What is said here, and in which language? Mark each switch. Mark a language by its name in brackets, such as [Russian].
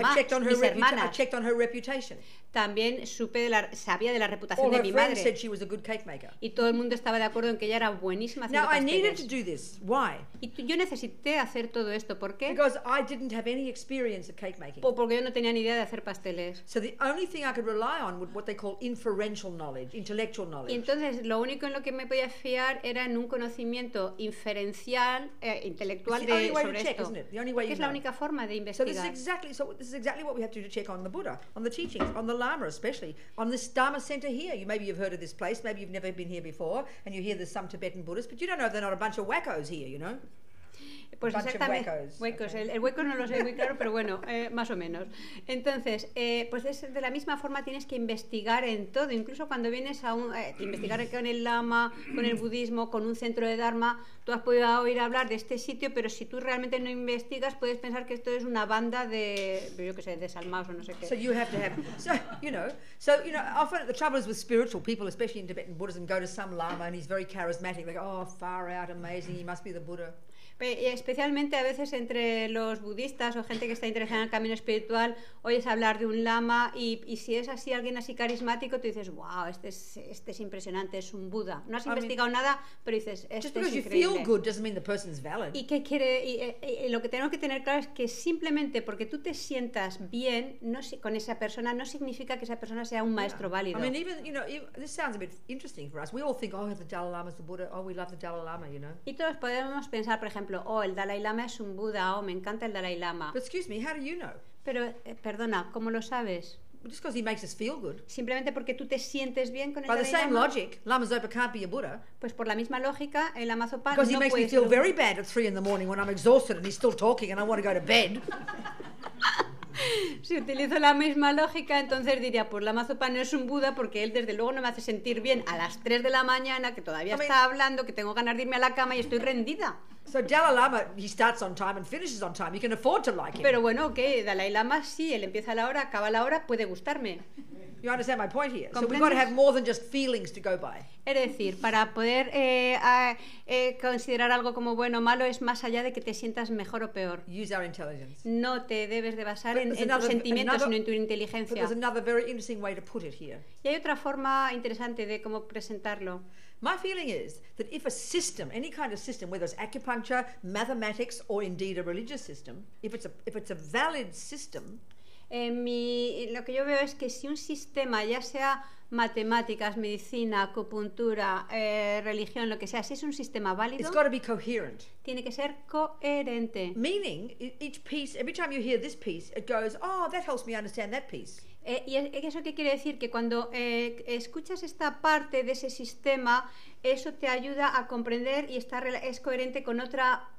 [Spanish] hermanas. [English] I checked on her reputation. [Spanish] También sabía de la reputación de mi madre. [English] All her friends said she was a good cake maker. [Spanish] Y todo el mundo estaba de acuerdo en que ella era buenísima haciendo pasteles. [English] Now I needed to do this. Why? [Spanish] Y yo necesité hacer todo esto. ¿Por qué? [English] Because I didn't have any experience of cake making. [Spanish] Porque yo no tenía ni idea de hacer pasteles. [English] So the only thing I could rely on was what they call inferential knowledge, intellectual knowledge. [Spanish] Y entonces lo único en lo que me podía fiar era en un conocimiento inferencial, intelectual de sobre esto. [English] Check, isn't it? The only way [Spanish] que es [English] know. [Spanish] La única forma de investigar. [English] So this is exactly what we have to do to check on the Buddha, on the teachings, on the Lama especially, on this Dharma center here. You, maybe you've heard of this place, maybe you've never been here before, and you hear there's some Tibetan Buddhists, but you don't know if they're not a bunch of wackos here, you know? [Spanish] Pues exactamente, huecos. Okay. El hueco no lo sé muy claro, pero bueno, más o menos. Entonces, pues es de la misma forma tienes que investigar en todo, incluso cuando vienes a investigar con el lama, con el budismo, con un centro de dharma, tú has podido oír hablar de este sitio, pero si tú realmente no investigas, puedes pensar que esto es una banda de, yo qué sé, desalmados o no sé qué. [English] So you have to have, so you know, often the trouble is with spiritual people, especially in Tibetan Buddhism, go to some lama and he's very charismatic, like, oh, far out, amazing, he must be the Buddha. [Spanish] Especialmente a veces entre los budistas o gente que está interesada en el camino espiritual oyes hablar de un lama y si es así alguien así carismático tú dices, wow, este es impresionante, es un Buda, no has investigado nada pero dices, este es increíble. [English] Just because you feel good doesn't mean the person's valid. [Spanish] Y qué quiere, y lo que tenemos que tener claro es que simplemente porque tú te sientas bien no, con esa persona no significa que esa persona sea un maestro válido. [English] I mean, even, you know, this sounds a bit interesting for us, we all think, oh, the Dalai Lama is the Buddha, oh, we love the Dalai Lama, you know. [Spanish] Y todos podemos pensar, por ejemplo, oh, el Dalai Lama es un Buda, oh, me encanta el Dalai Lama. [English] But excuse me, how do you know? [Spanish] Pero, perdona, ¿cómo lo sabes? [English] Just because he makes us feel good. [Spanish] Simplemente porque tú te sientes bien con el Dalai Lama. [English] By the same logic, Lama Zopa can't be a Buddha. [Spanish] Pues por la misma lógica, el Lama Zopa no puede ser. [English] Because he makes me feel very bad at 3 in the morning when I'm exhausted and he's still talking and I want to go to bed. [Spanish] Si utilizo la misma lógica, entonces diría, pues Lama Zopa no es un Buda porque él desde luego no me hace sentir bien a las 3 de la mañana, que todavía está hablando, que tengo ganas de irme a la cama y estoy rendida. [English] So Dalai Lama, he starts on time and finishes on time. You can afford to like him. [Spanish] Pero bueno, okay, Dalai Lama sí, él empieza a la hora, acaba a la hora, puede gustarme. [English] You understand my point here. So we've got to have more than just feelings to go by. [Spanish] Es decir, para poder considerar algo como bueno o malo es más allá de que te sientas mejor o peor. [English] Use our intelligence. [Spanish] No te debes de basar en tus sentimientos, sino en tu inteligencia. [English] But there's another very interesting way to put it here. [Spanish] Y hay otra forma interesante de cómo presentarlo. [English] My feeling is that if a system, any kind of system, whether it's acupuncture, mathematics, or indeed a religious system, if it's a valid system, [Spanish] lo que yo veo es que si un sistema, ya sea matemáticas, medicina, acupuntura, religión, lo que sea, si es un sistema válido, [English] it's got to be coherent. [Spanish] Tiene que ser coherente. [English] Meaning, each piece, every time you hear this piece, it goes, oh, that helps me understand that piece. [Spanish] Y eso qué quiere decir, que cuando escuchas esta parte de ese sistema, eso te ayuda a comprender y es coherente con otra